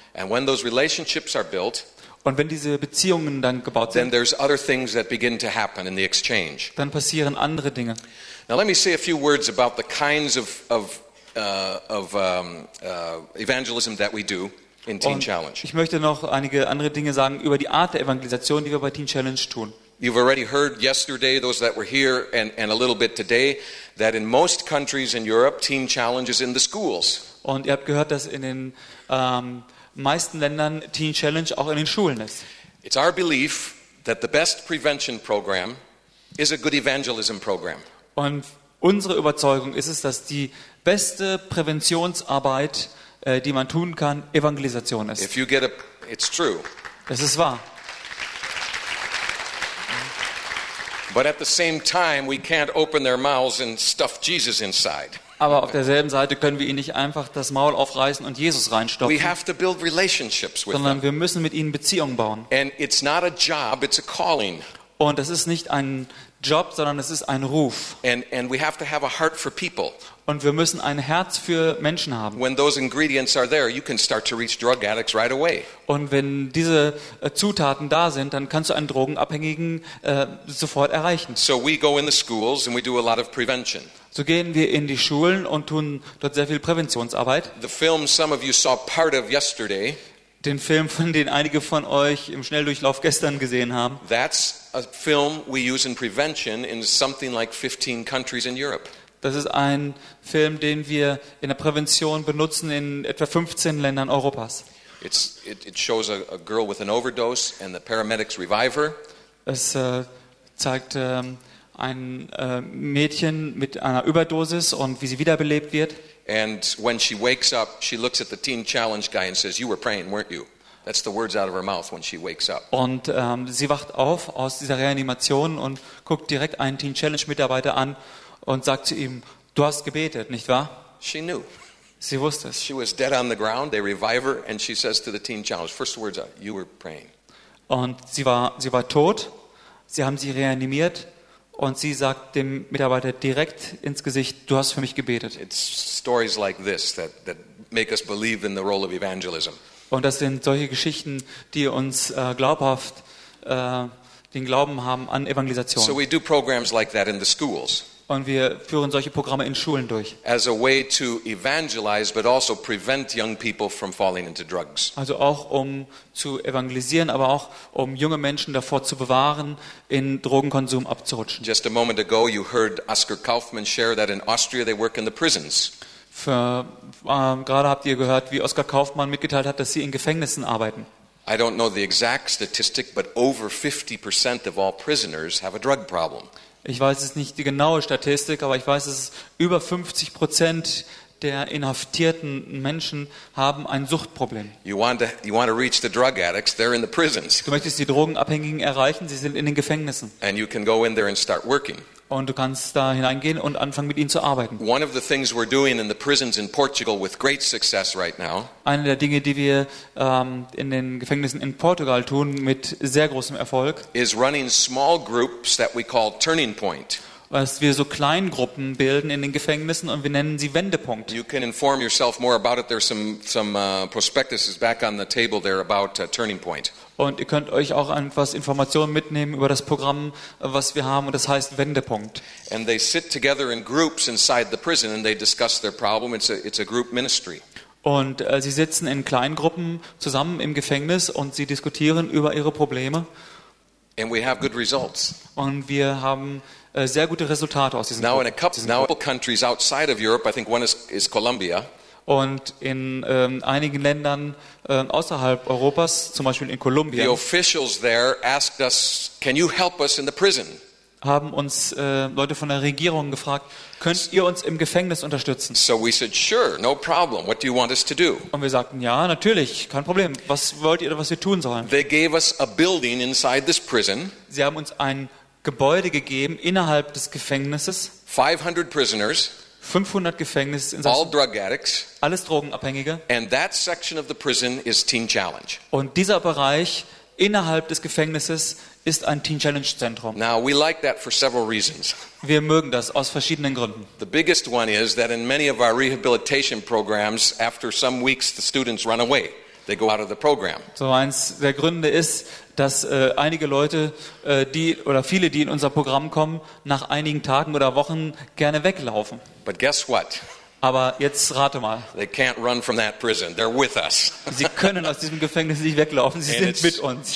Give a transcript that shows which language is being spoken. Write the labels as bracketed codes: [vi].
[en] And when those relationships are built, [de] und wenn diese Beziehungen dann gebaut sind, [en] then other things that begin to happen in the exchange. [de] Dann passieren andere Dinge. [en] Now let me say a few words about the kinds evangelism that we do in Teen Challenge. [de] Ich möchte noch einige andere Dinge sagen über die Art der Evangelisation, die wir bei Teen Challenge tun. [en] You've already heard yesterday, those that were here, and a little bit today, that in most countries in Europe, Teen Challenge is in the schools. [de] Und ihr habt gehört, dass in den meisten Ländern Teen Challenge auch in den Schulen ist. [en] It's our belief that the best prevention program is a good evangelism program. [de] Und unsere Überzeugung ist es, dass die beste Präventionsarbeit, die man tun kann, Evangelisation ist. [en] If you get it's true. [de] Es ist wahr. [en] But at the same time we can't open their mouths and stuff Jesus inside. [de] Aber auf derselben Seite können wir ihnen nicht einfach das Maul aufreißen und Jesus reinstopfen. [en] We have to build relationships with [de] sondern wir müssen mit ihnen Beziehungen bauen. [en] And it's not a job, it's a calling. [de] Und es ist nicht ein Job, sondern es ist ein Ruf. [en] And we have to have a heart for people. [de] Und wir müssen ein Herz für Menschen haben. [en] When those ingredients are there, you can start to reach drug addicts right away. [de] Und wenn diese Zutaten da sind, dann kannst du einen Drogenabhängigen sofort erreichen. [en] So we go in the schools and we do a lot of prevention. [de] So gehen wir in die Schulen und tun dort sehr viel Präventionsarbeit. [en] The film some of you saw part of yesterday. [de] den Film, von dem einige von euch im Schnelldurchlauf gestern gesehen haben. [en] That's a film we use in prevention in something like 15 countries in Europe. [de] Das ist ein Film, den wir in der Prävention benutzen in etwa 15 Ländern Europas. [en] It shows a girl with an overdose and the paramedics revive her. [de] Es zeigt ein Mädchen mit einer Überdosis und wie sie wiederbelebt wird. [en] And when she wakes up, she looks at the teen challenge guy and says, "You were praying, weren't you?" That's the words out of her mouth when she wakes up. [de] Und sie wacht auf aus dieser Reanimation und guckt direkt einen Teen Challenge Mitarbeiter an und sagt zu ihm, "Du hast gebetet, nicht wahr?" [en] She knew. [de] Sie wusste es. [en] She was dead on the ground. They revive her and she says to the teen challenge, first words out, "You were praying." [de] Und sie war tot. Sie haben sie reanimiert. Und sie sagt dem Mitarbeiter direkt ins Gesicht, du hast für mich gebetet. [en] It's stories like this that make us believe in the role of evangelism. [de] Und das sind solche Geschichten, die uns glaubhaft den Glauben haben an Evangelisation. [en] So we do programs like that in the schools. [de] Und wir führen solche Programme in Schulen durch. [en] As a way to evangelize, but also prevent young people from falling into drugs. [de] Also auch um zu evangelisieren, aber auch um junge Menschen davor zu bewahren, in Drogenkonsum abzurutschen. [en] Just a moment ago, you heard Oscar Kaufmann share that in Austria they work in the prisons. [de] Gerade habt ihr gehört, wie Oscar Kaufmann mitgeteilt hat, dass sie in Gefängnissen arbeiten. [en] I don't know the exact statistic, but over 50% of all prisoners have a drug problem. [de] Ich weiß es nicht die genaue Statistik, aber ich weiß, dass über 50% der inhaftierten Menschen haben ein Suchtproblem. [en] You want to reach the drug addicts, they're in the prisons. [de] Du möchtest die Drogenabhängigen erreichen, sie sind in den Gefängnissen. [en] And you can go in there and start working. [de] Und du kannst da hineingehen und anfangen mit ihnen zu arbeiten. [en] One of the things we're doing in the prisons in Portugal with great success right now. [de] Eine der Dinge, die wir in den Gefängnissen in Portugal tun mit sehr großem Erfolg, [en] is running small groups that we call Turning Point. [de] Was wir so Kleingruppen bilden in den Gefängnissen und wir nennen sie Wendepunkt. [en] You can inform yourself more about it. There's some prospectuses back on the table there about Turning Point. [de] Und ihr könnt euch auch etwas Informationen mitnehmen über das Programm, was wir haben, und das heißt Wendepunkt. [en] And they sit together in groups inside the prison and they discuss their problem. It's a group ministry. [de] Und sie sitzen in Kleingruppen zusammen im Gefängnis und sie diskutieren über ihre Probleme. [en] And we have good results. [de] Und wir haben sehr gute Resultate aus diesen Gruppen. [en] Now in a couple countries outside of Europe, I think one is Colombia. [de] Und in einigen Ländern außerhalb Europas, zum Beispiel in Kolumbien, [en] the officials there asked us, "Can you help us in the prison?" [de] Haben uns Leute von der Regierung gefragt, könnt ihr uns im Gefängnis unterstützen? [en] So we said, "Sure, no problem. What do you want us to do?" [de] Und wir sagten, ja, natürlich, kein Problem. Was wollt ihr, was wir tun sollen? [en] They gave us a building inside this prison. [de] Sie haben uns ein Gebäude gegeben innerhalb des Gefängnisses. [en] 500 prisoners. [de] 500 Gefängnisinsassen, [en] all drug addicts, [de] alles Drogenabhängige. [en] And that section of the prison is Teen Challenge. [de] Und dieser Bereich innerhalb des Gefängnisses ist ein Teen Challenge Zentrum. [en] Now we like that for several reasons. [de] Wir mögen das aus verschiedenen Gründen. [en] The biggest one is that in many of our rehabilitation programs, after some weeks, the students run away. They go out of the program. [de] So eins der Gründe ist, dass einige Leute, die oder viele, die in unser Programm kommen, nach einigen Tagen oder Wochen gerne weglaufen. [en] But guess what? [de] Aber jetzt rate mal. [en] They can't run from that prison. They're with us. [de] Sie können aus diesem Gefängnis nicht weglaufen. Sie sind mit uns.